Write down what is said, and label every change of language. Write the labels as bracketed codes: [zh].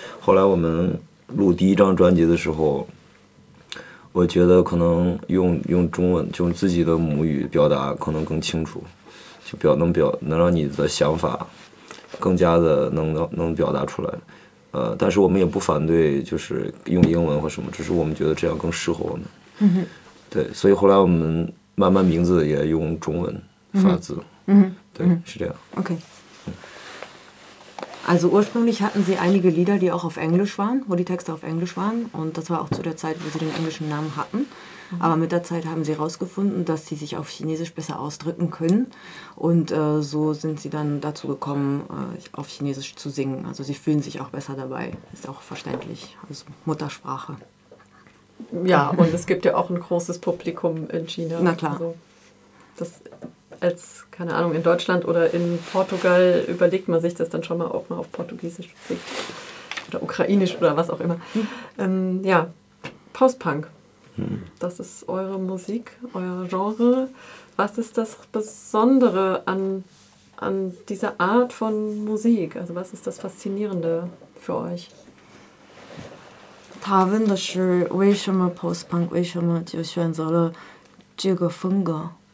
[zh] 后来我们录第一张专辑的时候，我觉得可能用中文，就用自己的母语表达，可能更清楚，就能让你的想法更加的能表达出来。但是我们也不反对就是用英文或什么，只是我们觉得这样更适合我们。对，所以后来我们慢慢名字也用中文发字。对，是这样。 OK。 [de] Also ursprünglich hatten sie einige Lieder, die auch auf Englisch waren, wo die Texte auf Englisch waren. Und das war auch zu der Zeit, wo sie den englischen Namen hatten. Aber mit der Zeit haben sie herausgefunden, dass sie sich auf Chinesisch besser ausdrücken können. Und so sind sie dann dazu gekommen, auf Chinesisch zu singen. Also sie fühlen sich auch besser dabei. Ist auch verständlich. Also Muttersprache. Ja, und es gibt ja auch ein großes Publikum in China. Na klar. Also das als, keine Ahnung, in Deutschland oder in Portugal überlegt man sich das dann schon mal auch mal auf Portugiesisch oder Ukrainisch oder was auch immer. Ja, Post-Punk. Das ist eure Musik, euer Genre. Was ist das Besondere an dieser Art von Musik? Also was ist das Faszinierende für euch? [zh] 他问的是为什么post-punk为什么就选择了这个风格？